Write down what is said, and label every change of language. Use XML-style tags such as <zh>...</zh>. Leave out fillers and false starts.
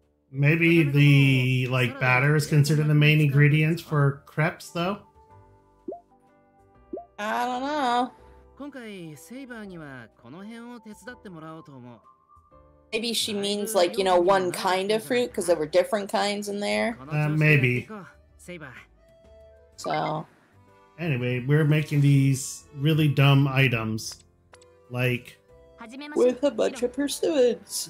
<en>Maybe the, like, batter is considered the main ingredient for crepes, though? I don't know.</en> <ja>今回セイバーにはこの辺を手伝ってもらおうと思う。</ja> <en>Maybe she means like, you know, one kind of fruit because there were different kinds in there. Maybe.</en> <ja>セイバ</ja> <en>ー。 So. Anyway, we're making these really dumb items, like with a bunch of pursuits.</en>